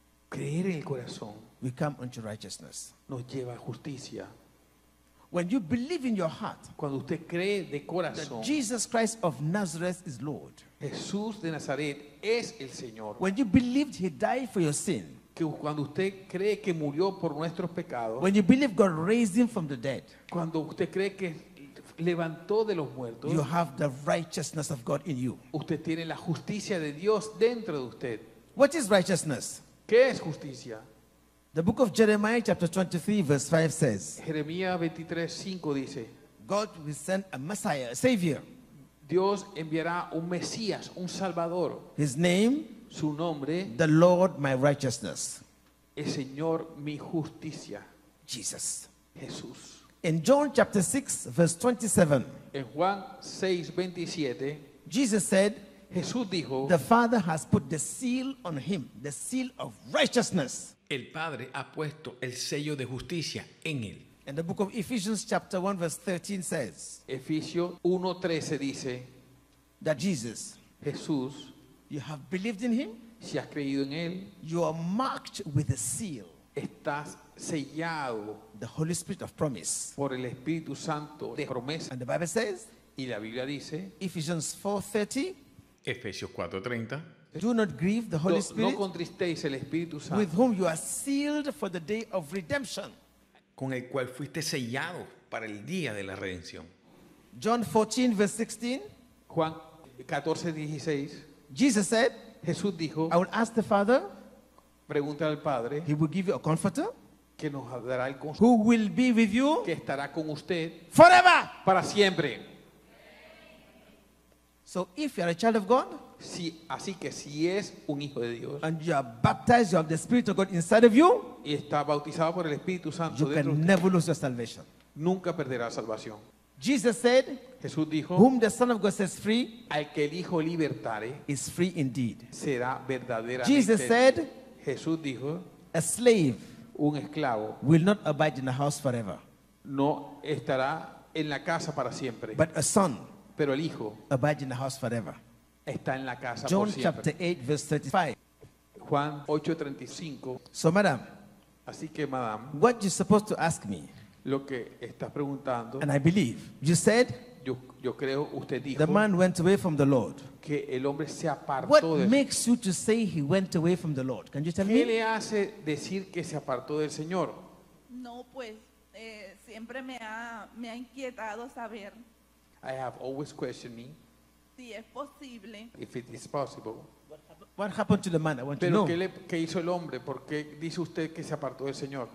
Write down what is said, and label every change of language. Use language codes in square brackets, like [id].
[es] creer en el corazón, [en] we come unto righteousness. [es] Nos lleva a justicia. [en] When you believe in your heart, [es] cuando usted cree de corazón, [en] that Jesus Christ of Nazareth is Lord, [es] Jesús de Nazaret es el Señor. [en] When you believed he died for your sin, [es] que cuando usted cree que murió por nuestros pecados, [en] when you believe God raised him from the dead, [es] cuando usted cree que levantó de los muertos, [en] you have the righteousness of God in you. [es] Usted tiene la justicia de Dios dentro de usted. [en] What is righteousness? [es] ¿Qué es justicia? [en] The book of Jeremiah chapter 23 verse 5 says, [es] Jeremías 23:5 dice, [en] God will send a Messiah, a Savior. [es] Dios enviará un Mesías, un Salvador. [en] His name, [es] su nombre, [en] the Lord my righteousness. [es] El Señor mi justicia. [en] Jesus. [es] Jesús. [en] In John chapter 6 verse 27, [es] en Juan 6:27, [en] Jesus said, [es] Jesús dijo, [en] the Father has put the seal on him, the seal of righteousness. [es] El Padre ha puesto el sello de justicia en él. [en] And the book of Ephesians chapter 1 verse 13 says, [es] Efesios 1:13 dice, [en] that Jesus, [es] Jesús, [en] you have believed in him, [es] si has creído en él, [en] you are marked with a seal, [es] estás sellado, [en] the Holy Spirit of promise, [es] por el Espíritu Santo de promesa. [en] And the Bible says, [es] y la Biblia dice, [en] Ephesians 4:30, [es] Efesios 4:30. [en] Do not grieve the Holy Spirit. [es] No contristéis el Espíritu Santo. [en] With whom you are sealed for the day of redemption. [es] Con el cual fuiste sellado para el día de la redención. [en] John 14 verse 16. [es] Juan 14:16. [en] Jesus said, [es] Jesús dijo, [en] I will ask the Father. [es] Pregunta al Padre. [en] He will give you a comforter. [es] Que nos dará el consuelo. [en] Who will be with you? [es] Que estará con usted. [en] Forever. [es] Para siempre. [en] So if you are a child of God, [es] si, así que si es un hijo de Dios, [en] and you are baptized, you have the Spirit of God inside of you, [es] y está bautizado por el Espíritu Santo, [en] you can never lose your salvation. [es] Nunca perderá salvación. [en] Jesus said, [es] Jesús dijo, [en] whom the Son of God sets free, [es] al que el Hijo libertare, [en] is free indeed. [es] Será verdaderamente. [en] Jesus said, [es] Jesús dijo, [en] a slave, [es] un esclavo, [en] will not abide in a house forever. [es] No estará en la casa para siempre. [en] But a son, [es] pero el Hijo, [en] abide in the house forever. [es] Está en la casa. [en] John [es] por [en] chapter 8 verse 35. [es] Juan 8:35. [en] So madam, [es] así que madam, [en] what you supposed to ask me? [es] Lo que estás preguntando. [en] And I believe you said, [es] yo creo usted dijo, [en] the man went away from the Lord. [es] Que el hombre se apartó. [en] What [es] de [en] makes you to say he went away from the Lord? Can you tell [es] ¿qué [en] me? [es] ¿Qué le hace decir que se apartó del Señor? No pues, siempre me ha inquietado saber. [en] I have always questioned me. [es] Si es posible. [en] If it is possible. What happened to the man? I want [es] pero [en] to know. [es] ¿Qué hizo el hombre? ¿Por qué dice usted que se apartó del Señor?